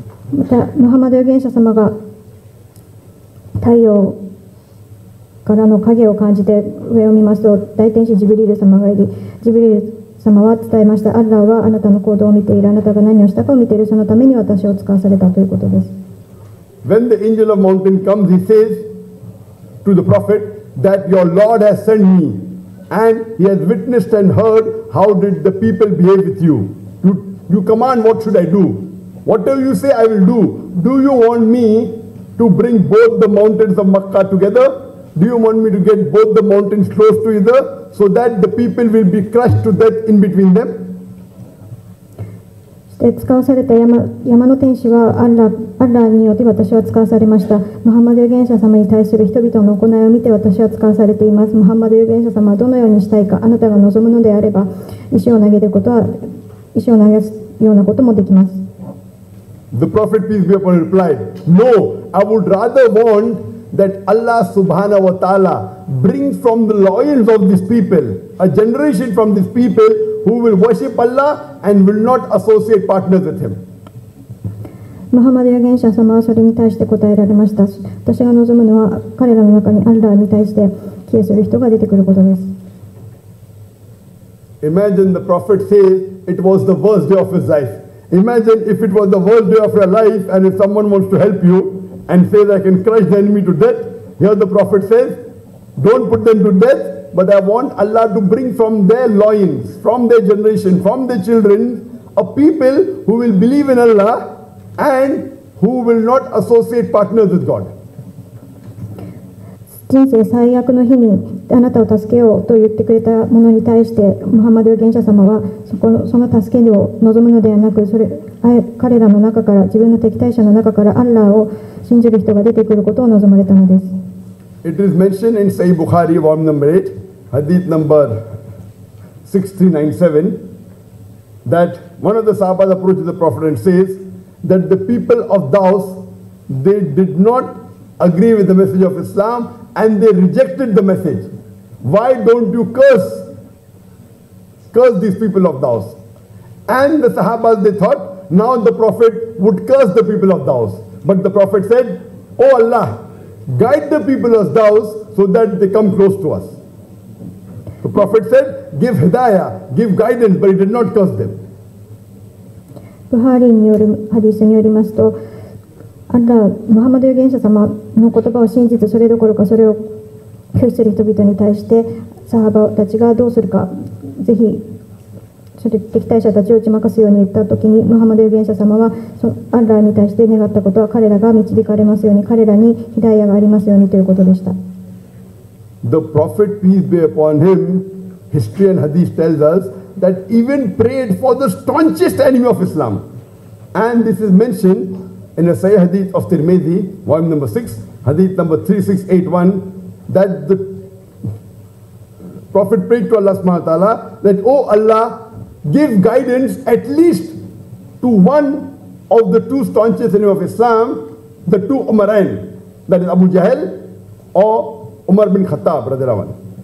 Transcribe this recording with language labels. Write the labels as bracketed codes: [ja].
[ja] また、ムハンマド預言者様が太陽からの影を感じて上を見ますと、大天使ジブリル様がいる。ジブリル様は伝えました、アッラーはあなたの行動を見ている、あなたが何をしたかを見ている、そのために私を使わされたということです。 [en] When the angel of mountain comes, he says to the prophet that your Lord has sent me and he has witnessed and heard how did the people behave with you. You command, what should I do? Whatever you say, I will do. Do you want me to bring both the mountains of Makkah together? Do you want me to get both the mountains close to either? So that the people will be crushed to death in between them. [ja] そして使わされた 山の天使はアッラーによって私は使わされました。ムハンマド預言者様に対する人々の行いを見て私は使わされています。ムハンマド預言者様はどのようにしたいか、あなたが望むのであれば石を投げることは石を投げすようなこともできます。 [en] The Prophet peace be upon him replied, No, I would rather want that Allah subhanahu wa ta'ala. Bring from the loyals of these people a generation from these people who will worship Allah and will not associate partners with him. [ja] Muhammad 預言者様はそれに対して答えられました。私が望むのは彼らの中にアッラーに対して消えする人が出てくることです。 [en] Imagine the prophet says it was the worst day of his life. Imagine if it was the worst day of your life and if someone wants to help you and says I can crush the enemy to death. Here the prophet says, don't put them to death, but I want Allah to bring from their loins, from their generation, from their children, a people who will believe in Allah and who will not associate partners with God. [ja] 人生最悪の日にあなたを助けようと言ってくれたものに対してムハンマド預言者様はその助けを望むのではなく、それ彼らの中から自分の敵対者の中からアッラーを信じる人が出てくることを望まれたのです。 [en] It is mentioned in Sahih Bukhari volume number 8 hadith number 6397 that one of the sahabas approaches the prophet and says that the people of Daus they did not agree with the message of Islam and they rejected the message. Why don't you curse these people of Daus? And the Sahabas, they thought, now the Prophet would curse the people of Daus. But the Prophet said, O Allah, guide the people of Daus so that they come close to us. The Prophet said, give hidayah, give guidance, but he did not curse them. [ja] Bukhari による hadith によりますと、アッラー、ムハンマド預言者様の言葉を信じて、それどころかそれを拒否する人々に対して、サハバたちがどうするか、ぜひ、それ敵対者たちを打ち負かすように言ったときに、ムハンマド預言者様は、アッラーに対して願ったことは、彼らが導かれますように、彼らにヒダイヤがありますようにということでした。 [en] The Prophet, peace be upon him, history and hadith tells us that even prayed for the staunchest enemy of Islam. And this is mentioned. In a Sahih Hadith of Tirmidhi, volume number 6, Hadith number 3681, that the Prophet prayed to Allah subhanahu wa ta'ala that, O Allah, give guidance at least to one of the two staunchest enemies of Islam, the two Umarain, that is Abu Jahl or Umar bin Khattab, radhiyallahu anhu.